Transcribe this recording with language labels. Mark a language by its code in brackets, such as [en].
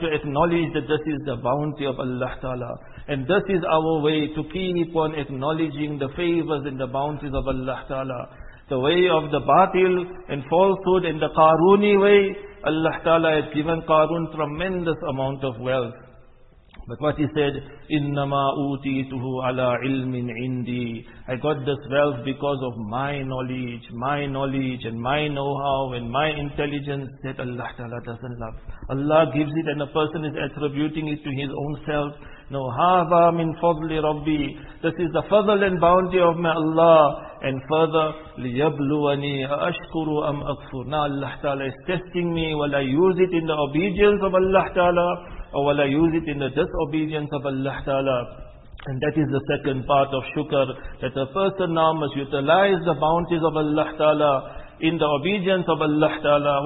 [en] To acknowledge that this is the bounty of Allah Ta'ala. And this is our way to keep on acknowledging the favors and the bounties of Allah Ta'ala. The way of the batil and falsehood and the Qaruni way, Allah Ta'ala has given Qarun tremendous amount of wealth. But what he said, [ar] إِنَّمَا أُوتِيتُهُ عَلَىٰ عِلْمٍ عِنْدِي. [en] I got this wealth because of my knowledge and my know-how and my intelligence that Allah Ta'ala doesn't love. Allah gives it and a person is attributing it to his own self. [ar] No, هَذَا مِنْ فَضْلِ رَبِّي. [en] This is the fadl and bounty of my Allah. And further, [ar] لِيَبْلُوَنِي أَشْكُرُ أَمْ أَكْفُرُ. [en] Now Allah Ta'ala is testing me. Will I use it in the obedience of Allah Ta'ala? Or will I use it in the disobedience of Allah Ta'ala? And that is the second part of shukr. That a person now must utilize the bounties of Allah Ta'ala in the obedience of Allah Ta'ala.